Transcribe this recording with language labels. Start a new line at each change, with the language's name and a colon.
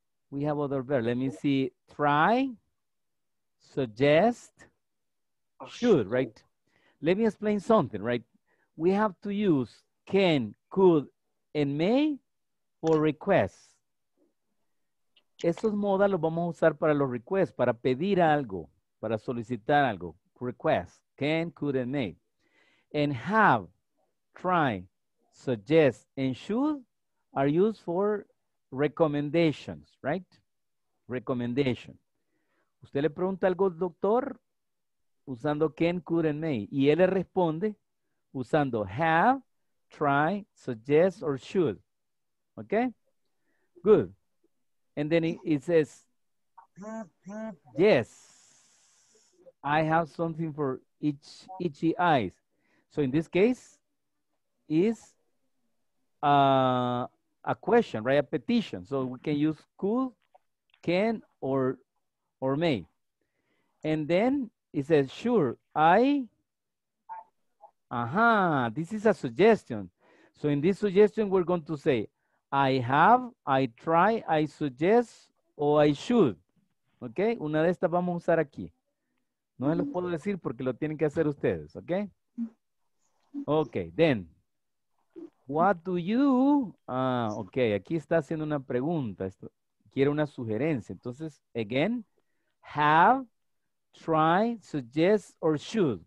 English: We have other verb. Let me see. Try, suggest, should, right? Let me explain something, right? We have to use can, could, and may for requests.
Spanish: Esos modas los vamos a usar para los requests, para pedir algo, para solicitar algo.
English: Request, can, could, and may. And have, try, suggest, and should are used for recommendations, right?
Spanish: Recommendation. Usted le pregunta algo al doctor, usando can, could, and may. Y él le responde usando have, try, suggest, or should.
English: Okay? Good. And then it says, yes, I have something for itchy eyes. So in this case, is a question, right? A petition. So we can use could, can, or may. And then, it says, sure, I, this is a suggestion. So in this suggestion, we're going to say, I have, I try, I suggest, or I should.
Spanish: Okay, una de estas vamos a usar aquí. No se lo puedo decir porque lo tienen que hacer ustedes, okay?
English: Okay, then, what do you, okay,
Spanish: aquí está haciendo una pregunta. Quiere una sugerencia. Entonces, again, have, try, suggest, or should.